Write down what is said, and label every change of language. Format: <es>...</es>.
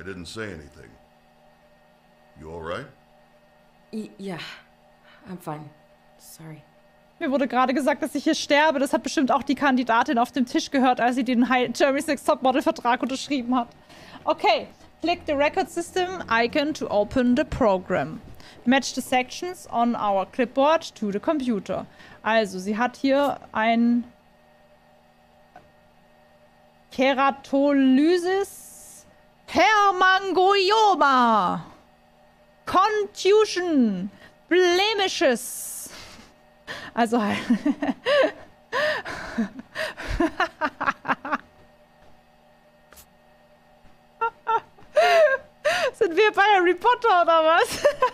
<en>I didn't say anything. You all right? Yeah, I'm fine. Sorry.</en> <de>Mir wurde gerade gesagt, dass ich hier sterbe. Das hat bestimmt auch die Kandidatin auf dem Tisch gehört, als sie den Jeremy's Next Topmodel-Vertrag unterschrieben hat.</de> <en>Okay, click the record system icon to open the program. Match the sections on our clipboard to the computer.</en> <de>Also, sie hat hier ein Keratolysis Hermangioma Contusion Blemishes. Also, sind wir bei Harry Potter oder was?</de>